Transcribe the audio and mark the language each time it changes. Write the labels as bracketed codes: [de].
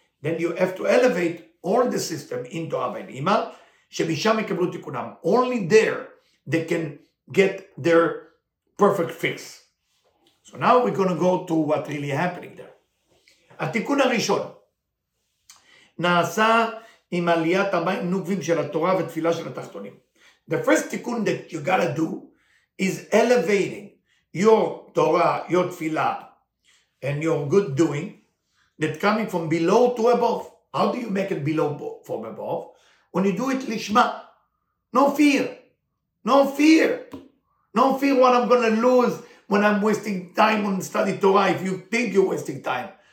[en] Then you have to elevate all the system into אבא עם אמא, [he] שמשם יקבלו תיקונם. [en] Only there they can get their perfect fix. So now we're going to go to what really happening there. [he] התיקון הראשון נעשה עם עליית המים נוקבים של התורה ותפילה של התחתונים. [en] The first תיקון that you got to do is elevating your Torah, your tefillah, and your good doing that coming from below to above. How do you make it below from above? When you do it lishma, no fear, no fear, no fear what I'm going to lose when I'm wasting time on study Torah, if you think you're wasting time.